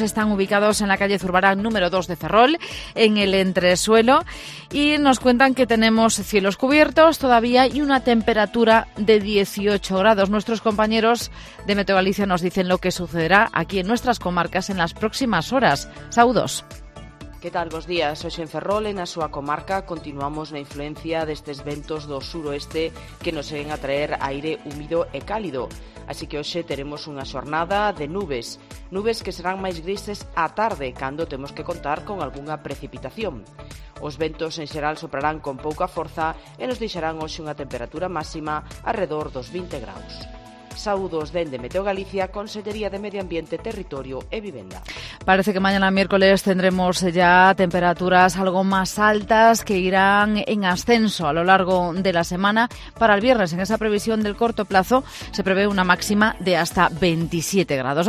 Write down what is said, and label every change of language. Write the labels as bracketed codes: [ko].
[es] Están ubicados en la calle Zurbarán número 2 de Ferrol, en el entresuelo. Y nos cuentan que tenemos cielos cubiertos todavía y una temperatura de 18 grados. Nuestros compañeros de Meteo Galicia nos dicen lo que sucederá aquí en nuestras comarcas en las próximas horas. [gl] Saudos. [es] ¿Qué tal? Buenos días. [gl] Hoy en Ferrol, en a súa comarca, continuamos na influencia destes ventos do suroeste que nos seguen a traer aire húmido e cálido. Así que hoxe teremos unha xornada de nubes. Nubes que serán máis grises á tarde, cando temos que contar con algunha precipitación. Os ventos en xeral soprarán con pouca forza e nos deixarán hoxe unha temperatura máxima alrededor dos 20 graus. Saúdos dende Meteo Galicia, Consellería de Medio Ambiente, Territorio e Vivenda. [es] Parece que mañana miércoles tendremos ya temperaturas algo más altas que irán en ascenso a lo largo de la semana. Para el viernes, en esa previsión del corto plazo, se prevé una máxima de hasta 27 grados.